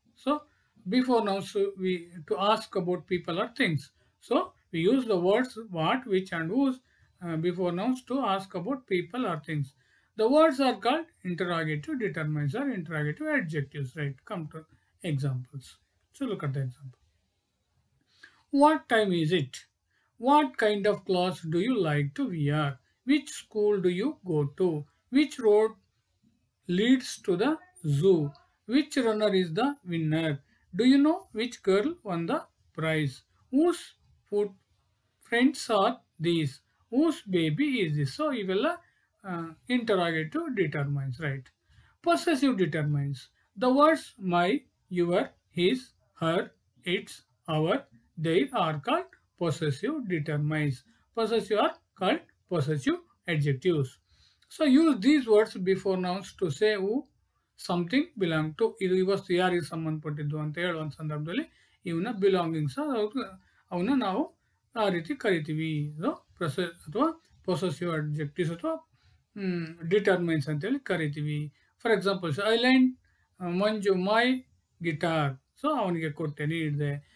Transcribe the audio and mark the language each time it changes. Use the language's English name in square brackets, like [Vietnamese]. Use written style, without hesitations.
[English] So before nouns we to ask about people or things, so we use the words what, which and whose before nouns to ask about people or things. The words are called interrogative determines or interrogative adjectives right. Come to examples, so look at the example. What time is it? What kind of clothes do you like to wear? Which school do you go to? Which road leads to the zoo? Which runner is the winner? Do you know which girl won the prize? Whose foot prints are these? Whose baby is this? So, ivella interrogative determines, right? Possessive determines. The words my, your, his, her, its, our, they are called possessive determines. Possessive are called possessive adjectives. So use these words before nouns to say who something belong to. [Kannada] ಇದು ಇವತ್ತು ಯಾರಿಗೆ ಸಂಬಂಧಪಟ್ಟಿದ್ದು ಅಂತ ಹೇಳುವ ಸಂದರ್ಭದಲ್ಲಿ ಇವನ್ನ belongings ಅವನ್ನ ನಾವು ಆ ರೀತಿ ಕರಿತೀವಿ. ಇದು ಅಥವಾ ಪೊಸೆಸಿವ್ ಅಡ್ಜೆಕ್ಟಿವ್ಸ್ ಅಥವಾ ಡಿಟರ್ಮೈನ್ಸ್ ಅಂತೇಳಿ ಕರಿತೀವಿ. [English] for example, I lend Manju my guitar, so [Kannada] ಅವನಿಗೆ ಕೊಟ್ಟೆ, ನೀಡಿದೆ.